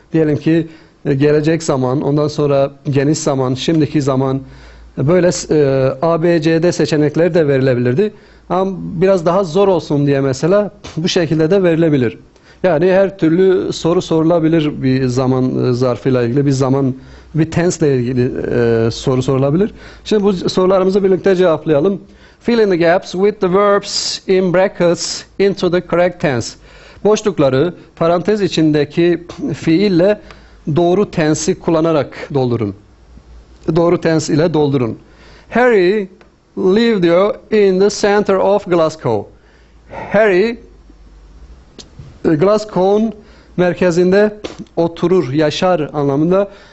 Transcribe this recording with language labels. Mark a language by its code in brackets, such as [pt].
[tr] Diyelim ki gelecek zaman, ondan sonra geniş zaman, şimdiki zaman, böyle A, B, C'de seçenekler de verilebilirdi. Ama biraz daha zor olsun diye mesela bu şekilde de verilebilir. Yani her türlü soru sorulabilir bir zaman zarfıyla ilgili, bir zaman, bir tense ile ilgili soru sorulabilir. Şimdi bu sorularımızı birlikte cevaplayalım. [en] Fill in the gaps with the verbs in brackets into the correct tense. [tr] Boşlukları parantez içindeki fiille doğru tense'i kullanarak doldurun. Doğru tense ile doldurun. [en] Harry lived in the center of Glasgow. [tr] Harry Glasgow'un merkezinde oturur, yaşar anlamında.